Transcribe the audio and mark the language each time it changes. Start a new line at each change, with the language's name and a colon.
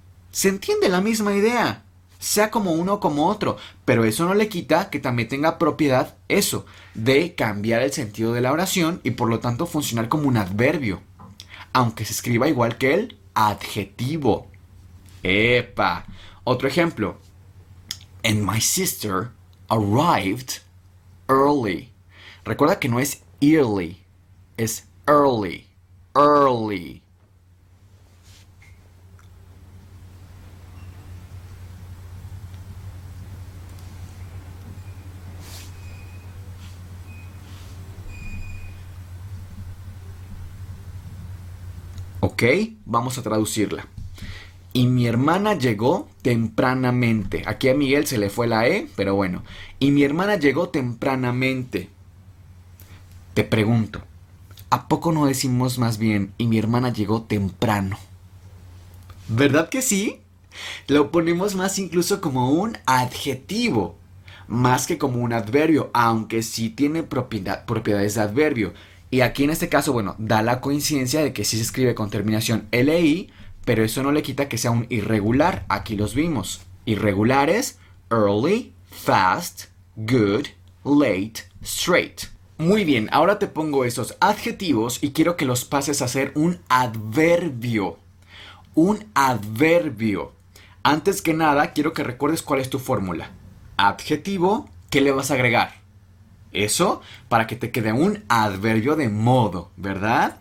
Spanish: Se entiende la misma idea, sea como uno o como otro, pero eso no le quita que también tenga propiedad eso, de cambiar el sentido de la oración y por lo tanto funcionar como un adverbio, aunque se escriba igual que el adjetivo. ¡Epa! Otro ejemplo.
English: And my sister arrived early.
Spanish: Recuerda que no es early, es early, early. Ok, vamos a traducirla. Y mi hermana llegó tempranamente. Aquí a Miguel se le fue la E, pero bueno. Y mi hermana llegó tempranamente. Te pregunto, ¿a poco no decimos más bien y mi hermana llegó temprano? ¿Verdad que sí? Lo ponemos más incluso como un adjetivo, más que como un adverbio, aunque sí tiene propiedades de adverbio. Y aquí en este caso, bueno, da la coincidencia de que sí se escribe con terminación LI, pero eso no le quita que sea un irregular. Aquí los vimos.
English: Irregulares, early, fast, good, late, straight.
Spanish: Muy bien, ahora te pongo esos adjetivos y quiero que los pases a ser un adverbio. Un adverbio. Antes que nada, quiero que recuerdes cuál es tu fórmula. Adjetivo, ¿qué le vas a agregar? Eso para que te quede un adverbio de modo, ¿verdad?